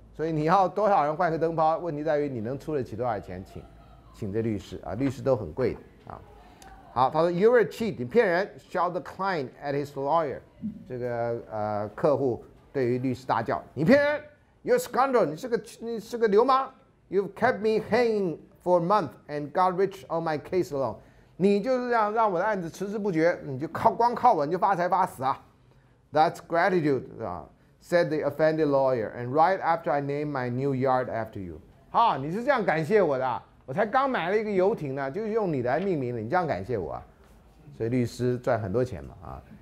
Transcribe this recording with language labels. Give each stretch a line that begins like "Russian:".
Chinese: 所以你要多少人换个灯泡？问题在于你能出得起多少钱请这律师啊？律师都很贵的啊。好，他说
English: You were cheat，
Chinese: 你骗人。
English: Shout the client at his lawyer，
Chinese: 这个客户对于律师大叫：你骗人 ！
English: You're a scoundrel，
Chinese: 你是个流氓。
English: You've kept me hanging for a month and got rich on my case alone。
Chinese: 你就是这样让我的案子迟迟不决，你就光靠我你就发财发死啊 ！
English: That's gratitude，
Chinese: 啊、，
English: said the offended lawyer， and right after I named my new yard after you，
Chinese: 哈、啊，你是这样感谢我的，我才刚买了一个游艇呢，就是用你来命名的，你这样感谢我，所以律师赚很多钱嘛啊！